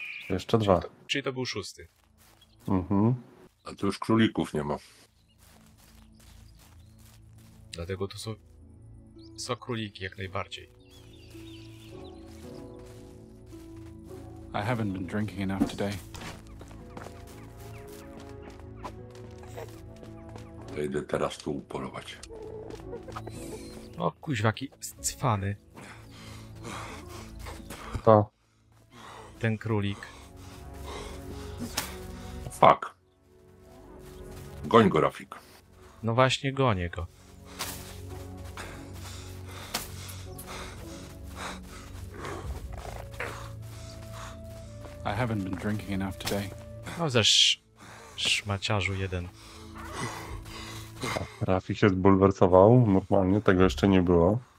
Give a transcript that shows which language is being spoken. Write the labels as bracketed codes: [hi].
[pl] Jeszcze 2. Czyli to był 6. Mhm. A tu już królików nie ma. Dlatego to są... Są króliki, jak najbardziej. [en] I haven't been drinking enough today. [pl] To idę teraz tu upolować. O kuźwaki, cwany. Kto? Ten królik. Fuck. Goń go, Rafik. No właśnie, gonię go. [en] I haven't been drinking enough today. [pl] No ze szmaciarzu jeden. Rafi się zbulwersował, normalnie, tego jeszcze nie było.